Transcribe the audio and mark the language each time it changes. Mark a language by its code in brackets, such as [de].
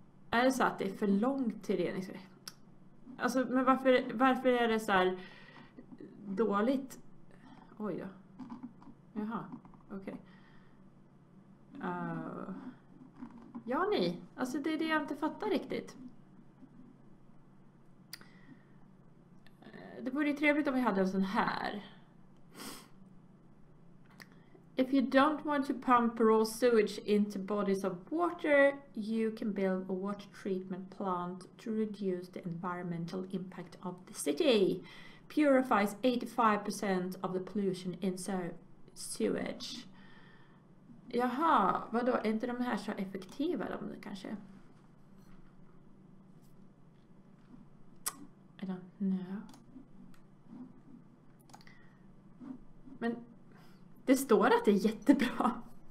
[sv] Är det så att det är för långt till reningsverken? Alltså, men varför är det så här dåligt? Oj då. Jaha, okej. Ja, nej. Alltså det är det jag inte fattar riktigt. Det vore ju trevligt om vi hade en sån här. [en] If you don't want to pump raw sewage into bodies of water, you can build a water treatment plant to reduce the environmental impact of the city. Purifies 85% of the pollution in sewage. [sv] Jaha, vadå? Är inte de här så effektiva de kanske? [en] I don't know. [sv] Men det står att det är jättebra.